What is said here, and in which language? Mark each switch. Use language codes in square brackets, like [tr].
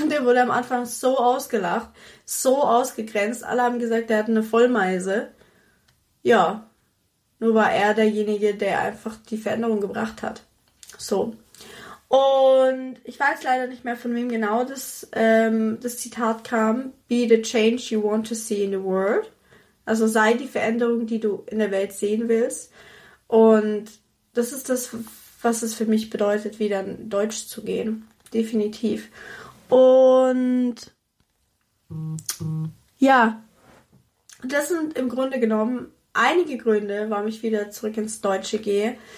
[de] Der wurde am Anfang so ausgelacht, so ausgegrenzt. Alle haben gesagt, der hat eine Vollmeise. Ja, nur war er derjenige, der einfach die Veränderung gebracht hat. So. Und ich weiß leider nicht mehr, von wem genau das Zitat kam. [en] Be the change you want to see in the world. [de] Also sei die Veränderung, die du in der Welt sehen willst. Und das ist das, was es für mich bedeutet, wieder in Deutsch zu gehen. Definitiv. Und ja, das sind im Grunde genommen einige Gründe, warum ich wieder zurück ins Deutsche gehe.